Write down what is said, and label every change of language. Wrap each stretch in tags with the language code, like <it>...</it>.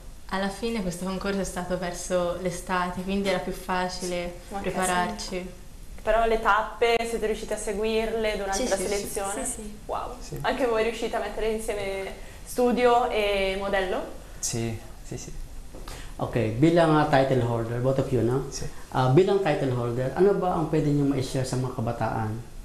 <it>Alla fine questo concorso è stato verso l'estate, quindi era più facile prepararci. Però le tappe siete riusciti a seguirle durante la selezione? Sì, sì. Wow. Sì. Anche voi riuscite a mettere insieme studio e modello? Sì. Sì, sì.</it> <tl>Ok, bilang title holder,</tl> <en>both of you,</en> <tl>no?</tl> <it>Sì.</it> <tl>Bilang title holder, ano ba ang pwede niyo ma-share sa mga kabataan?</tl>